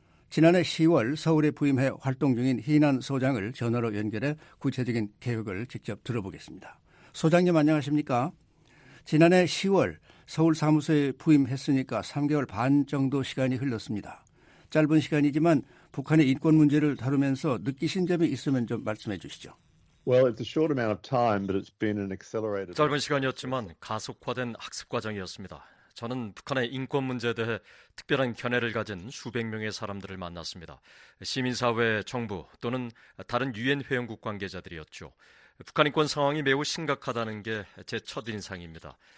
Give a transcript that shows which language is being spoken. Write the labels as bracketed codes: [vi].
[ko] 지난해 10월 서울에 부임해 활동 중인 희난 소장을 전화로 연결해 구체적인 계획을 직접 들어보겠습니다. 소장님 안녕하십니까? 지난해 10월 서울 사무소에 부임했으니까 3개월 반 정도 시간이 흘렀습니다. 짧은 시간이지만 북한의 인권 문제를 다루면서 느끼신 점이 있으면 좀 말씀해 주시죠. [en] Well, it's a short amount of time, but it's been an accelerated. [ko] 짧은 시간이었지만 가속화된 학습 과정이었습니다. 저는 북한의 인권 문제에 대해 특별한 견해를 가진 수백 명의 사람들을 만났습니다. 시민사회, 정부 또는 다른 유엔 회원국 관계자들이었죠. 북한 인권 상황이 매우 심각하다는 게 제 첫인상입니다.